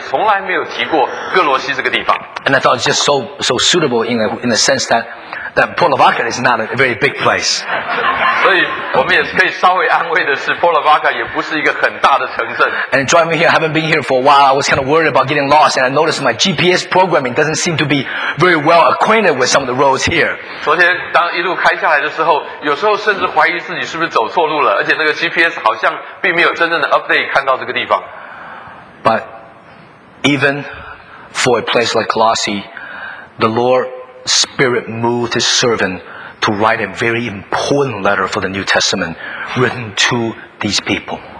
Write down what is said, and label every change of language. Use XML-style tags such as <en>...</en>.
<zh>而更叫人惊奇的是，在使徒行传也从来没有提过哥罗西这个地方。</zh> <en>And I thought it's just so suitable in the sense that Polovaca is not a very big place.</en> <zh>所以我们也可以稍微安慰的是，Polovaca也不是一个很大的城镇。</zh> <en>And driving here, I haven't been here for a while, I was kind of worried about getting lost, and I noticed my GPS programming doesn't seem to be very well acquainted with some of the roads here.</en> <zh>昨天当一路开下来的时候，有时候甚至怀疑自己是不是走错路了，而且那个GPS好像并没有真正的update看到这个地方。</zh> <en>But even for a place like Colossae, the Lord Spirit moved his servant to write a very important letter for the New Testament written to these people.</en>